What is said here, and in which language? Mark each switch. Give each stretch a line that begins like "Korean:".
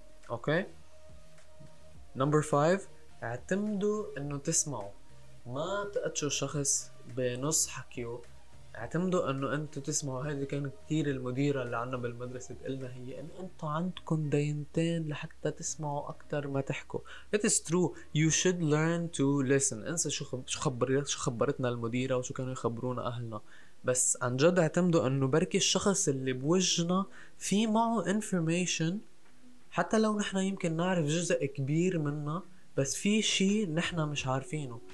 Arabic: اوكي,
English: number five,
Arabic: اعتمدوا انه تسمعوا, ما تقتشوا الشخص بنص حكيو, اعتمدوا انه انتو تسمعوا. هذه كان كتير المديرة اللي عنا بالمدرسة تقلنا هي ان انتو عندكم دينتين لحتى تسمعوا اكتر ما تحكوا.
English: it is true, you should learn to listen.
Arabic: انسى شو خبرتنا المديرة وشو كانوا يخبرونا اهلنا, بس عن جد اعتمدوا انه بركي الشخص اللي بوجهنا في معه information, حتى لو نحنا يمكن نعرف جزء كبير منه بس في شيء نحنا مش عارفينه.